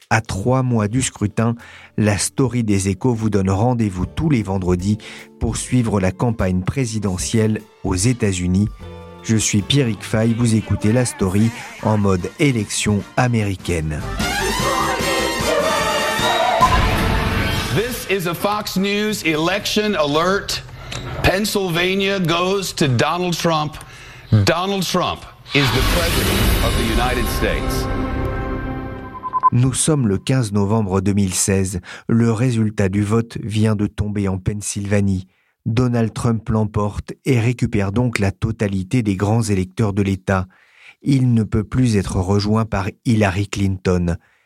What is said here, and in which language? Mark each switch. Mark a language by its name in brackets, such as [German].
[French] À 3 mois du scrutin, la Story des Échos vous donne rendez-vous tous les vendredis pour suivre la campagne présidentielle aux États-Unis. Je suis Pierrick Fay, vous écoutez La Story en mode élection américaine. [English] This is a Fox News election alert. Pennsylvania goes to Donald Trump. Donald Trump is the president of the United States. [French] Nous sommes le 15 novembre 2016. Le résultat du vote vient de tomber en Pennsylvanie. Donald Trump l'emporte et récupère donc la totalité des grands électeurs de l'État. Il ne peut plus être rejoint par Hillary Clinton.